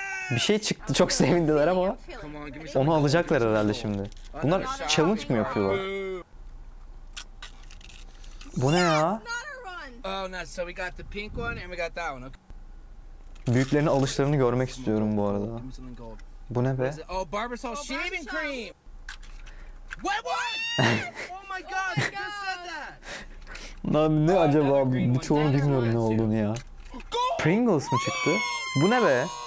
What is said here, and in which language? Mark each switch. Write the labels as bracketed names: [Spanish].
[Turkish] Bir şey çıktı çok sevindiler ama onu alacaklar herhalde şimdi. Bunlar challenge mı yapıyorlar? Bu ne ya? [English] Oh no, so we got the pink one and we got that one. [Turkish] Büyüklerin alışlarını görmek istiyorum bu arada. Bu ne be? [English] Oh, Barbasol shaving cream. What? Oh my god, you said that. [Turkish] Ne acaba? Birçoğunu bilmiyorum ne olduğunu ya. Pringles mi çıktı? Bu ne be?